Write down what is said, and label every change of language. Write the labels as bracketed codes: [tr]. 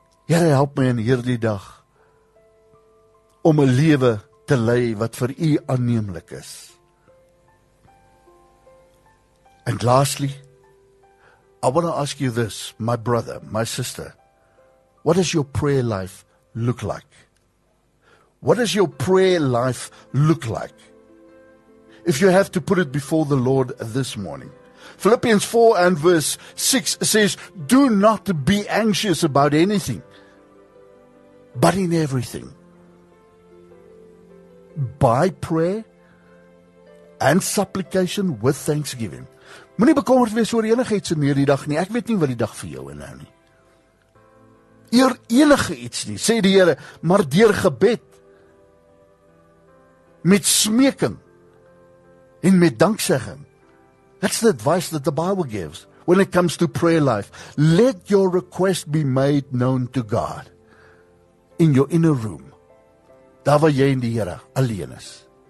[af] Here, help my in hierdie dag om 'n lewe te lei wat vir U aanneemlik is. [en] And lastly, I want to ask you this, my brother, my sister. What does your prayer life look like? What does your prayer life look like? If you have to put it before the Lord this morning. Philippians 4 and verse 6 says, do not be anxious about anything, but in everything, by prayer and supplication with thanksgiving. [af] Moenie bekommerd wees oor enigiets in hierdie dag nie. Ek weet nie wat die dag vir jou inhou nie. Eer enige iets nie, sê die Here, maar deur gebed, met smeking, En met danksegging. [en] That's the advice that the Bible gives when it comes to prayer life. Let your request be made known to God in your inner room. [af] Daar waar jy in die Here alleen is.